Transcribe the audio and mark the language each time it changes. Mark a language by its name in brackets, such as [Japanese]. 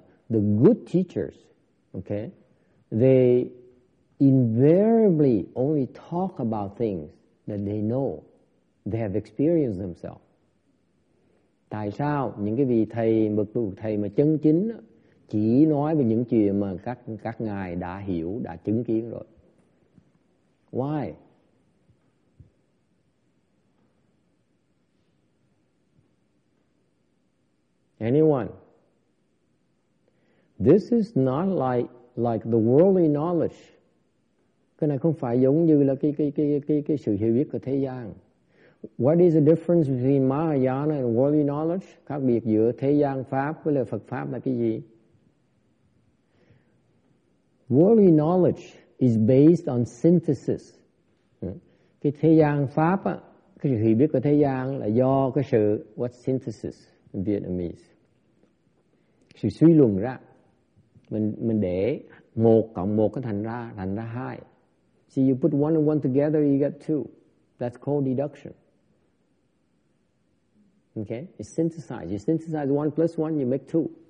[English] The good teachers, okay, they invariably only talk about things that they know, they have experienced themselves. [Vietnamese] Tại sao những cái vị thầy bậc thầy mà chân chính chỉ nói về những chuyện mà các ngài đã hiểu, đã chứng kiến rồi? [English] Why? Anyone? This is not like the worldly knowledge. [Vietnamese] Cái này không phải giống như là cái sự hiểu biết của thế gian. [English] What is the difference between Mahayana and worldly knowledge? [Vietnamese] Khác biệt giữa thế gian pháp với là Phật pháp là cái gì? [English] Worldly knowledge is based on synthesis. [Vietnamese] Cái thế gian pháp á, cái hiểu biết của thế gian là do cái sự [English] what synthesis in Vietnamese? [Vietnamese] Sự suy luận ra. Mình để một cộng một cái thành ra hai. [English] See, you put one and one together, you get two. That's called deduction. Okay, it's synthesized. You synthesize one plus one, you make two.